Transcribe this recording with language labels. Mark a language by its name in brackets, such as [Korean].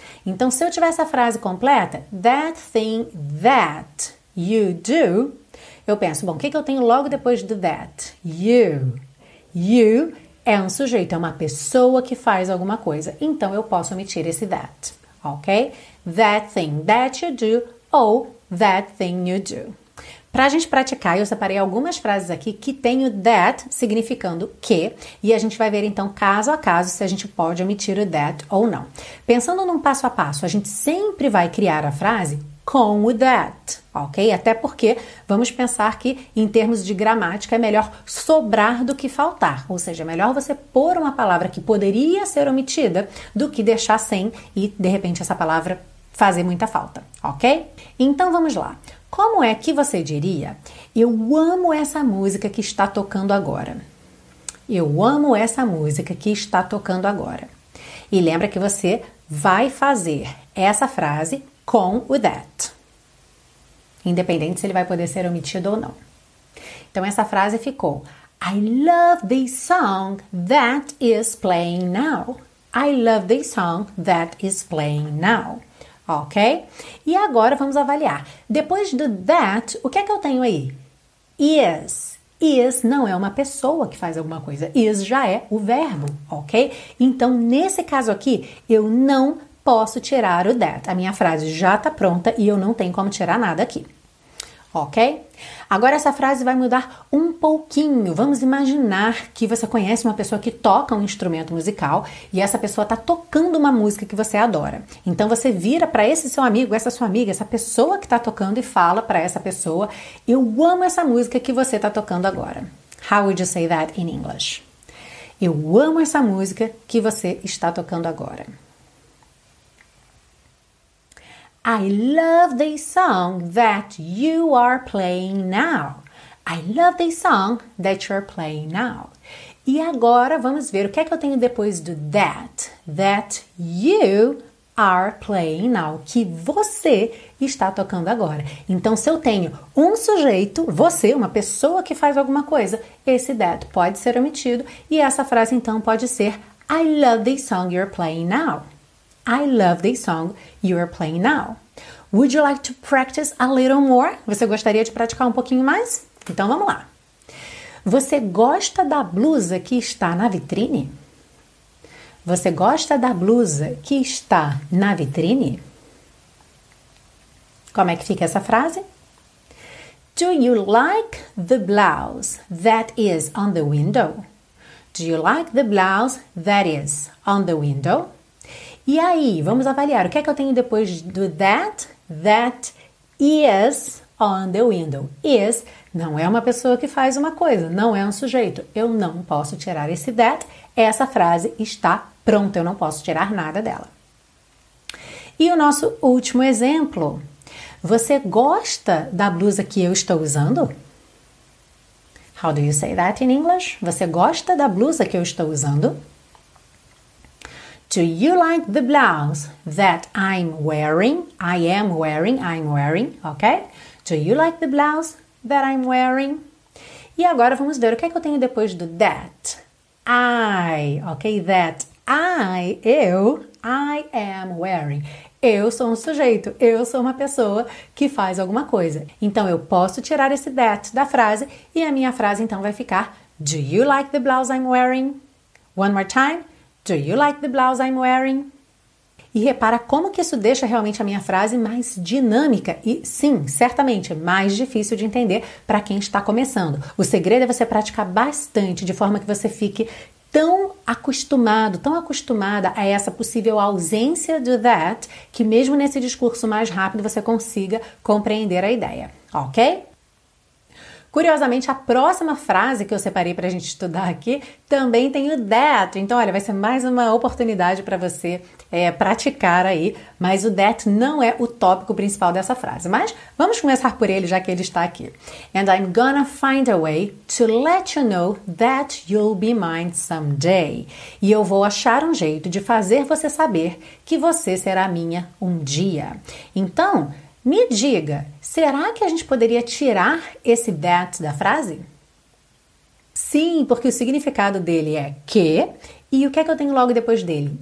[Portuguese] Então, se eu tiver essa frase completa, [English] that thing that you do, [Portuguese] eu penso, bom, o que eu tenho logo depois do that? You. You é um sujeito, é uma pessoa que faz alguma coisa. Então, eu posso omitir esse that, ok? [English] That thing that you do ou that thing you do. [Portuguese] Pra gente praticar, eu separei algumas frases aqui que tem o that significando que. E a gente vai ver, então, caso a caso, se a gente pode omitir o that ou não. Pensando num passo a passo, a gente sempre vai criar a frase com o that, ok? Até porque vamos pensar que, em termos de gramática, é melhor sobrar do que faltar. Ou seja, é melhor você pôr uma palavra que poderia ser omitida do que deixar sem e, de repente, essa palavra fazer muita falta, ok? Então, vamos lá. Como é que você diria, eu amo essa música que está tocando agora? Eu amo essa música que está tocando agora. E lembra que você vai fazer essa frase com o that. Independente se ele vai poder ser omitido ou não. Então, essa frase ficou, [English] I love this song that is playing now. I love this song that is playing now. [Portuguese] Ok? E agora vamos avaliar. Depois do that, o que é que eu tenho aí? Is. Is não é uma pessoa que faz alguma coisa. Is já é o verbo, ok? Então, nesse caso aqui, eu não posso tirar o that. A minha frase já está pronta e eu não tenho como tirar nada aqui. Ok? Agora essa frase vai mudar um pouquinho. Vamos imaginar que você conhece uma pessoa que toca um instrumento musical e essa pessoa está tocando uma música que você adora. Então você vira para esse seu amigo, essa sua amiga, essa pessoa que está tocando e fala para essa pessoa, eu amo essa música que você está tocando agora. [English] How would you say that in English? [Portuguese] Eu amo essa música que você está tocando agora. [English] I love the song that you are playing now. I love the song that you're playing now. [Portuguese] E agora vamos ver o que é que eu tenho depois do that. [English] That you are playing now. [Portuguese] Que você está tocando agora. Então, se eu tenho um sujeito, você, uma pessoa que faz alguma coisa, esse that pode ser omitido. E essa frase, então, pode ser [English] I love the song you're playing now. I love the song you're playing now. Would you like to practice a little more? [Portuguese] Você gostaria de praticar um pouquinho mais? Então, vamos lá. Você gosta da blusa que está na vitrine? Você gosta da blusa que está na vitrine? Como é que fica essa frase? [English] Do you like the blouse that is on the window? Do you like the blouse that is on the window? [Portuguese] E aí, vamos avaliar. O que é que eu tenho depois do that? [English] That is on the window. [Portuguese] Is não é uma pessoa que faz uma coisa, não é um sujeito. Eu não posso tirar esse that. Essa frase está pronta, eu não posso tirar nada dela. E o nosso último exemplo. Você gosta da blusa que eu estou usando? [English] How do you say that in English? [Portuguese] Você gosta da blusa que eu estou usando? [English] Do you like the blouse that I'm wearing? I am wearing, I'm wearing, ok? Do you like the blouse that I'm wearing? [Portuguese] E agora vamos ver o que é que eu tenho depois do that. I, ok? [English] That I, eu, I am wearing. [Portuguese] Eu sou um sujeito, eu sou uma pessoa que faz alguma coisa. Então, eu posso tirar esse that da frase e a minha frase, então, vai ficar [English] Do you like the blouse I'm wearing? One more time. Do you like the blouse I'm wearing? [Portuguese] E repara como que isso deixa realmente a minha frase mais dinâmica e, sim, certamente, mais difícil de entender para quem está começando. O segredo é você praticar bastante, de forma que você fique tão acostumado, tão acostumada a essa possível ausência do that, que mesmo nesse discurso mais rápido você consiga compreender a ideia, ok? Curiosamente, a próxima frase que eu separei para a gente estudar aqui também tem o that. Então, olha, vai ser mais uma oportunidade para você praticar aí. Mas o that não é o tópico principal dessa frase. Mas vamos começar por ele, já que ele está aqui. [English] And I'm gonna find a way to let you know that you'll be mine someday. [Portuguese] E eu vou achar um jeito de fazer você saber que você será minha um dia. Então, me diga, será que a gente poderia tirar esse that da frase? Sim, porque o significado dele é que, e o que é que eu tenho logo depois dele?